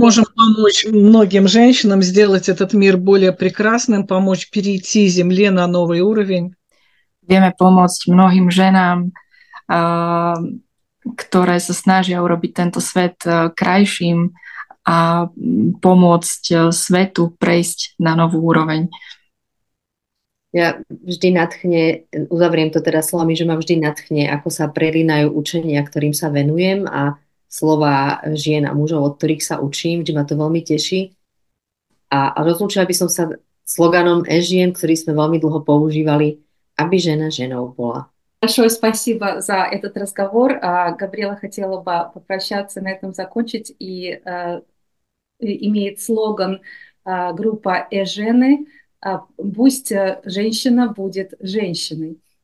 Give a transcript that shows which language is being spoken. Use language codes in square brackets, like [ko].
[ru] Мы можем помочь многим женщинам сделать этот мир более прекрасным, помочь перейти земле на новый уровень. [sk] Vieme pomôcť mnohým ženám, ktoré sa snažia urobiť tento svet krajším a pomôcť svetu prejsť na novú úroveň. Ja vždy nadchne, uzavriem to teraz slovami, že ma vždy nadchne, ako sa prelínajú učenia, ktorým sa venujem a slova žien a mužov, od ktorých sa učím, že ma to veľmi teší. A rozlúčila by som sa sloganom e-žien, ktorý sme veľmi dlho používali, aby žena ženou bola. [ru] Большое спасибо за этот разговор. Габриэла хотела бы попрощаться, на этом закончить. И имеет слоган группа «Э-жены» «Пусть женщина будет женщиной».